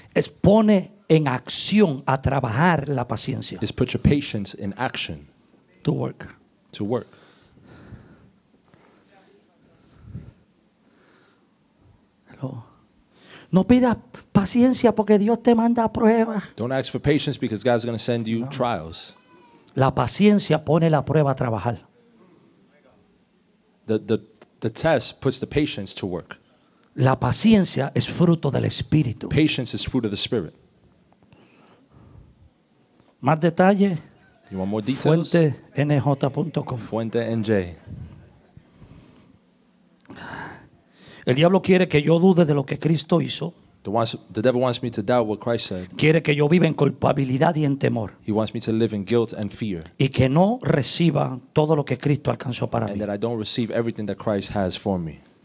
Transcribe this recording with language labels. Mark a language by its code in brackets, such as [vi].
[es] es pone en acción a trabajar la paciencia. [en] Is put your patience in action. To work. To work. Hello. [es] No pida paciencia porque Dios te manda pruebas. [en] Don't ask for patience because God's going to send you trials. [es] La paciencia pone la prueba a trabajar. [en] The test puts the patience to work. [es] La paciencia es fruto del espíritu. [en] Patience is fruit of the spirit. [es] Más detalle. [en] You want more details? FuenteNJ.com. FuenteNJ. [es] El diablo quiere que yo dude de lo que Cristo hizo. [en] The devil wants me to doubt what Christ said. [es] Quiere que yo viva en culpabilidad y en temor. [en] He wants me to live in guilt and fear. [es] Y que no reciba todo lo que Cristo alcanzó para [en] and [es] mí. [en] And that I don't receive everything that Christ has for me.